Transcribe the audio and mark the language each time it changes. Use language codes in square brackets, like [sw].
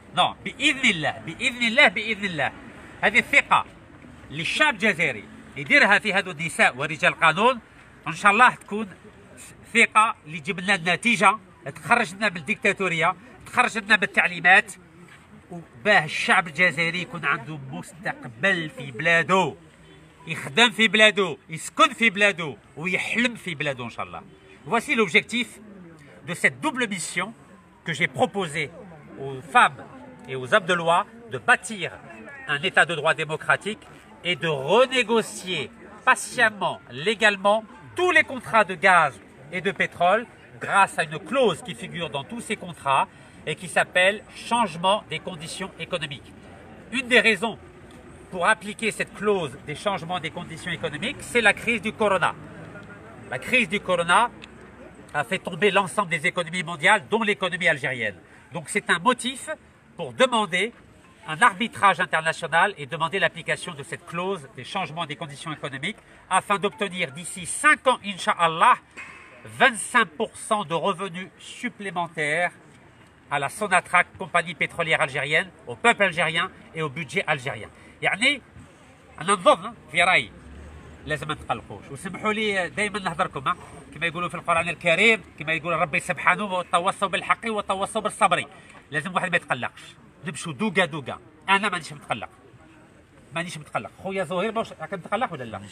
[ar] نو بإذن الله بإذن الله بإذن الله هذه الثقة للشعب الجزائري يديرها في هذو النساء ورجال القانون إن شاء الله تكون ثقة اللي تجيب لنا النتيجة تخرجنا بالديكتاتورية تخرجنا بالتعليمات وباه الشعب الجزائري يكون عنده مستقبل في بلاده يخدم في بلاده يسكن في بلاده ويحلم في بلاده إن شاء الله. [fr] Voici l'objectif de cette double mission que j'ai proposée aux femmes et aux hommes de loi de bâtir un état de droit démocratique et de renégocier patiemment, légalement, tous les contrats de gaz et de pétrole grâce à une clause qui figure dans tous ces contrats et qui s'appelle « changement des conditions économiques ». Une des raisons pour appliquer cette clause des changements des conditions économiques, c'est la crise du corona. La crise du corona a fait tomber l'ensemble des économies mondiales, dont l'économie algérienne. Donc c'est un motif pour demander un arbitrage international et demander l'application de cette clause des changements des conditions économiques afin d'obtenir d'ici 5 ans, Inch'Allah, 25% de revenus supplémentaires à la Sonatrach, compagnie pétrolière algérienne, au peuple algérien et au budget algérien. [ar] يعني انا نظن في رايي لازم ما تقلقوش وسمحوا لي دائما نهضركم كما يقولوا في القران الكريم كما يقول ربي سبحانه وتوصوا بالحق وتوصوا بالصبر لازم واحد ما يتقلقش نمشوا دوقا دوقا انا مانيش متقلق مانيش متقلق خويا زهير باش راك متقلق ولا لا